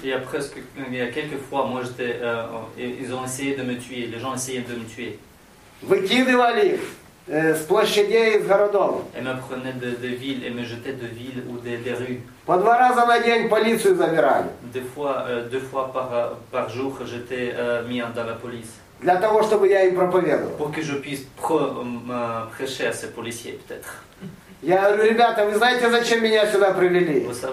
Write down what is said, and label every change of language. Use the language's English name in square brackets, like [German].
[French] Il y a presque, il y a quelques fois, [Russian] может, [French] ils ont essayé de me tuer. Les gens essayaient de me tuer. [Russian] Выкидывали их с площадей из городов. [French] Et me prenaient de villes et me jetaient de villes ou des rues. [Russian] По два раза на день полицию забирали. [French] Deux fois par jour, j'étais mis dans la police. [Russian] Для того, чтобы я им проповедовал. [French] Pour que je puisse prêcher à ces policiers, peut-être. [Russian] Я говорю, ребята, вы знаете, зачем меня сюда привели?